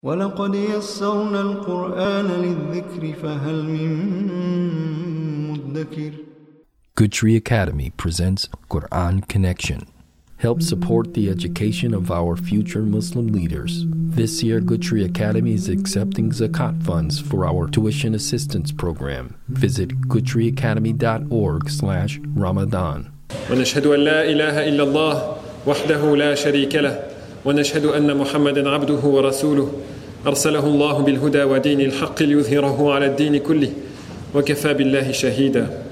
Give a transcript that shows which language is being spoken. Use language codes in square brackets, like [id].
[ar] ولقد يسرنا القرآن للذكر فهل من مدكر. [en] Good Tree Academy presents Quran Connection. Help support the education of our future Muslim leaders. This year, Good Tree Academy is accepting Zakat funds for our tuition assistance program. Visit goodtreeacademy.org/Ramadan. [ar] ونشهد أن لا إله إلا الله وحده لا شريك له ونشهد أن محمدا عبده ورسوله أرسله الله بالهدى ودين الحق ليظهره على الدين كله وكفى بالله شهيدا.